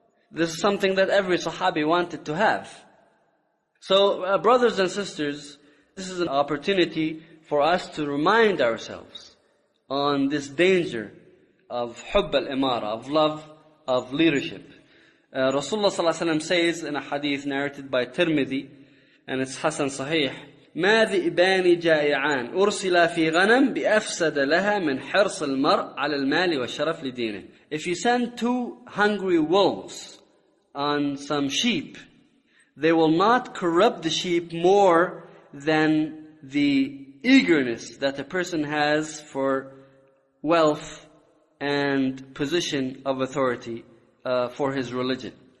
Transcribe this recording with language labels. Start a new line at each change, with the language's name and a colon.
English: This is something that every Sahabi wanted to have. So, brothers and sisters, this is an opportunity for us to remind ourselves on this danger of
Arabic: حب الإمارة,
English: of love of leadership. Rasulullah ﷺ says in a hadith narrated by Tirmidhi, and it's Hasan Sahih,
Arabic: مَا ذِئِبَانِ جَائِعَانِ أُرْسِلَ فِي غَنَمْ بِأَفْسَدَ لَهَا مِنْ حِرْصِ الْمَرْءِ عَلَى الْمَالِ وَالشَّرَفِ لِدِينِهِ.
English: If you send two hungry wolves on some sheep, they will not corrupt the sheep more than the eagerness that a person has for wealth and position of authority for his religion.